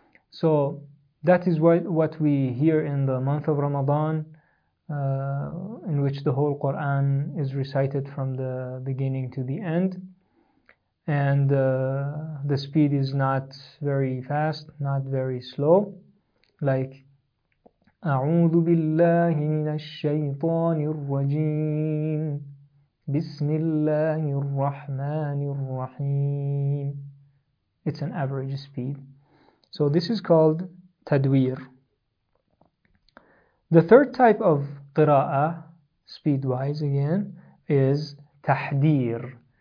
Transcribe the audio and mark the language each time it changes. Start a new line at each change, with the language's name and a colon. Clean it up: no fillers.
English: So that is what we hear in the month of Ramadan, in which the whole Quran is recited from the beginning to the end. And the speed is not very fast, not very slow.
Arabic: Like, أعوذ بالله من الشيطان الرجيم بسم الله الرحمن الرحيم.
English: It's an average speed. So this is called tadwir. The third type of qira'ah, speed-wise again, is tahdir.